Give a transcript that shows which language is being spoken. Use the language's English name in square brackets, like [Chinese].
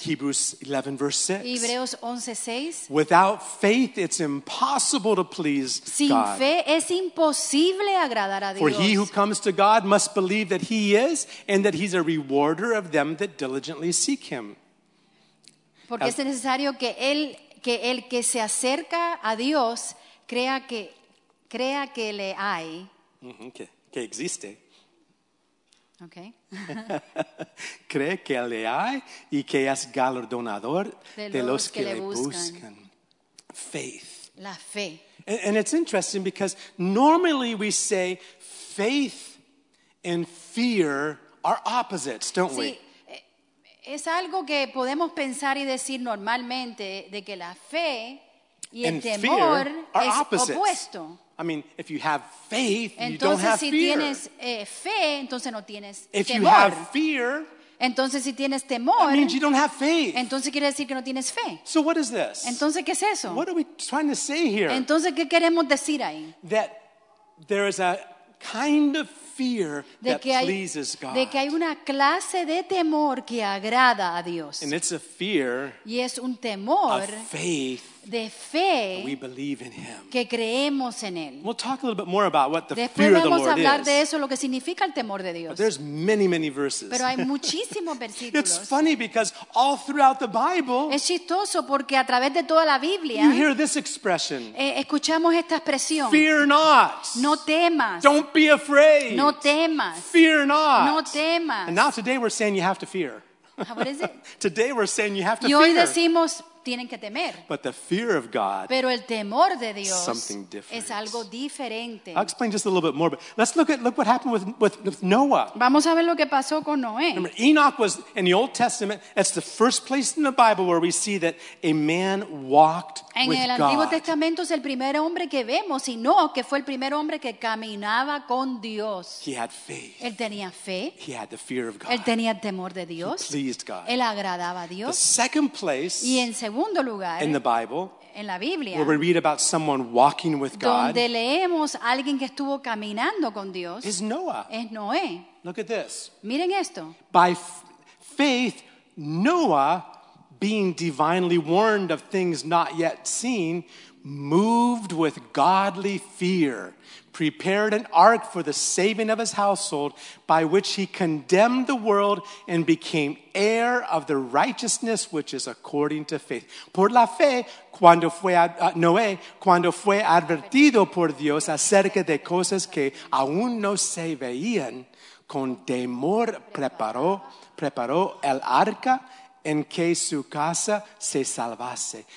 [English] Hebrews 11 verse 6. [Spanish] Hebreos 11:6. [English] Without faith it's impossible to please God. [Spanish] Sin fe es imposible agradar a Dios. [English] For he who comes to God must believe that he is and that he's a rewarder of them that diligently seek him. [Spanish] Porque es necesario que el que se acerca a Dios crea que le hay. Mm-hmm, que existe. [English] Okay. [Spanish] Cree que le hay y que es galardonador de los que le buscan. [English] Faith. [Spanish] La fe. [English] And it's interesting because normally we say faith and fear are opposites, don't [Spanish] sí. [English] we? [Spanish] Es algo que podemos pensar y decir normalmente de que la fe y el temor es opuesto. [English] I mean, if you have faith, [Spanish] entonces, [English] you don't have [Spanish] si [English] fear. [Spanish] Tienes fe, entonces no tienes [English] if [Spanish] temor. [English] If you have fear, [Spanish] entonces si tienes temor, [English] that means you don't have faith. [Spanish] Entonces quiere decir que no tienes fe. [English] So what is this? [Spanish] Entonces, ¿qué es eso? [English] What are we trying to say here? [Spanish] Entonces, ¿qué queremos decir ahí? [English] That there is a kind of fear that pleases God. [Spanish] De que hay una clase de temor que agrada a Dios. [English] And it's a fear. [Spanish] Y es un temor. [English] Of faith. [Spanish] De fe. [English] We believe in him. [Spanish] Que creemos en él. [English] We'll talk a little bit more about what the [Spanish] Después [English] fear of the Lord is. [Spanish] Después vamos a hablar de eso, lo que significa el temor de Dios. [English] But there's many, many verses. [Spanish] Pero hay muchísimos versículos. [English] It's funny because all throughout the Bible. [Spanish] Es chistoso porque a través de toda la Biblia. [English] You hear this expression. [Spanish] Escuchamos esta expresión. [English] Fear not. [Spanish] No temas. [English] Don't be afraid. [Spanish] No temas. [English] Fear not. [Spanish] No temas. [English] And now today we're saying you have to fear. What is it? Today we're saying you have to [Spanish] y hoy [English] fear. [Spanish] Decimos, tienen que temer. [English] But the fear of God. [Spanish] Pero el temor de Dios. [English] Something different. [Spanish] Es algo diferente. [English] I'll explain just a little bit more. But let's look what happened with Noah. [Spanish] Vamos a ver lo que pasó con Noé. [English] Remember, Enoch was in the Old Testament. That's the first place in the Bible where we see that a man walked with God. [Spanish] En el Antiguo Testamento es el primer hombre que vemos, y Noé que fue el primer hombre que caminaba con Dios. [English] He had faith. [Spanish] Él tenía fe. [English] He had the fear of God. [Spanish] Él tenía el temor de Dios. [English] He pleased God. [Spanish] Él agradaba a Dios. [English] The second place. [Spanish] Y en segundo lugar, [English] in the Bible, [Spanish] en la Biblia, [English] where we read about someone walking with God, [Spanish] donde leemos alguien que estuvo caminando con Dios, [English] is Noah. [Spanish] Es Noé. [English] Look at this. [Spanish] Miren esto. [English] By faith, Noah, being divinely warned of things not yet seen, moved with godly fear, prepared an ark for the saving of his household, by which he condemned the world and became heir of the righteousness which is according to faith. [Spanish] Por la fe, cuando fue Noé, cuando fue advertido por Dios acerca de cosas que aún no se veían, con temor preparó el arca en que su casa se salvase.